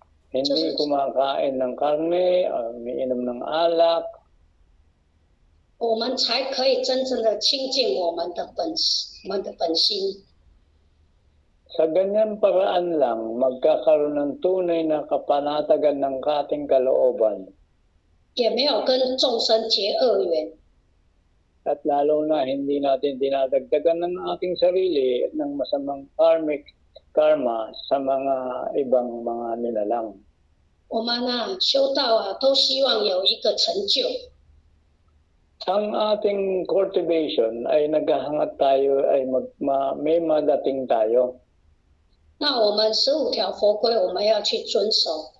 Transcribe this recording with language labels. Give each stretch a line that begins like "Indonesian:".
Filipino: Hindi kumakain ng karne, umiinom ng alak.
Chinese: 我们才可以真正的清净我们的本心。
Filipino: Sa ganyang paraan lang, magkakaroon ng tunay na kapanatagan ng ating kalooban.
Chinese: 也没有跟众生结恶缘。
Filipino: At lalo na hindi natin dinadagdagan ng ating sarili ng masamang karmic karma sa mga ibang mga nilalang.
Chinese: 我们啊，修道啊，都希望有一个成就。
Filipino: Ang ating cultivation ay naghahangat tayo ay may madating tayo.
Chinese: 那我们十五条佛规我们要去遵守。